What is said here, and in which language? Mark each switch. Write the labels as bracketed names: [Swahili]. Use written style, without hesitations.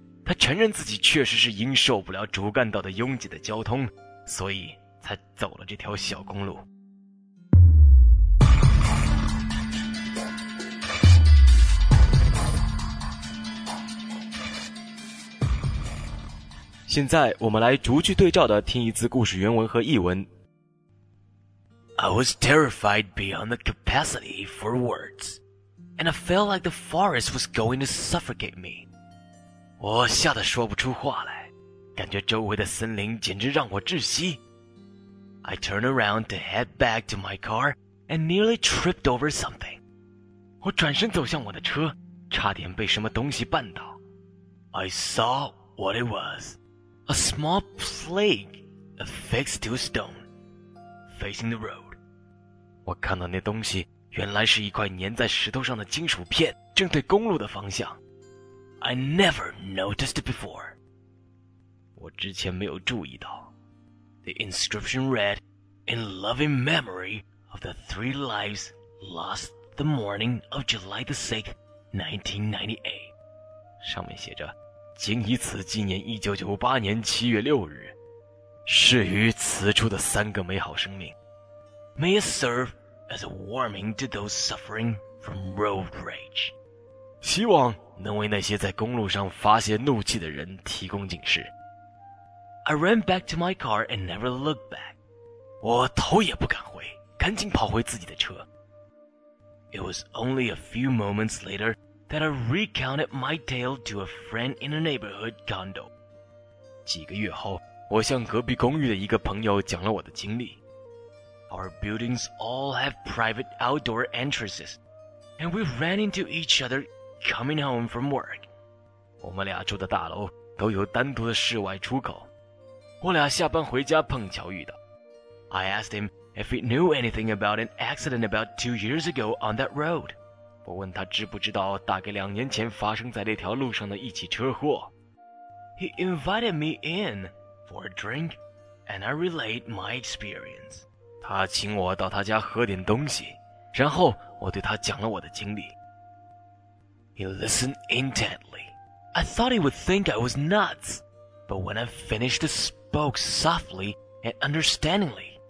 [Chinese] 他承认自己确实是因受不了主干道的拥挤的交通，所以才走了这条小公路。现在我们来逐句对照的听一次故事原文和译文。 [English] I was terrified beyond the capacity for words, and I felt like the forest was going to suffocate me. [Chinese] 我吓得说不出话来，感觉周围的森林简直让我窒息。 [English] I turned around to head back to my car and nearly tripped over something. 我转身走向我的车，差点被什么东西绊倒。 I saw what it was. A small plague affixed to a stone, facing the road. [Chinese] 我我看到那东西原来是一块粘在石头上的金属片，正对公路的方向。 [English] I never noticed it before. [Chinese] 我之前没有注意到。 [English] The inscription read, In loving memory of the three lives lost the morning of July the 6th, 1998. [Chinese] 上面写着，仅以此纪念1998年7月6日逝于此处的三个美好生命。 [English] May it serve as a warning to those suffering from road rage. [Chinese] 希望能为那些在公路上发泄怒气的人提供警示。 [English] I ran back to my car and never looked back. [Chinese] 我头也不敢回，赶紧跑回自己的车。 [English] It was only a few moments later that I recounted my tale to a friend in a neighborhood condo. [Chinese] 几个月后，我向隔壁公寓的一个朋友讲了我的经历。 [English] Our buildings all have private outdoor entrances, and we ran into each other coming home from work. [Chinese] 我们俩住的大楼都有单独的室外出口，我俩下班回家碰巧遇到。 [English] I asked him if he knew anything about an accident about 2 years ago on that road. [Chinese] 我问他知不知道大概两年前发生在那条路上的一起车祸。 [English] He invited me infor a drink, and I relate my experience. [Chinese] 他请我到他家喝点东西，然后我对他讲了我的经历。 [English] He listened intently. I thought he would think I was nuts, but when I finished, spoke softly and understandingly.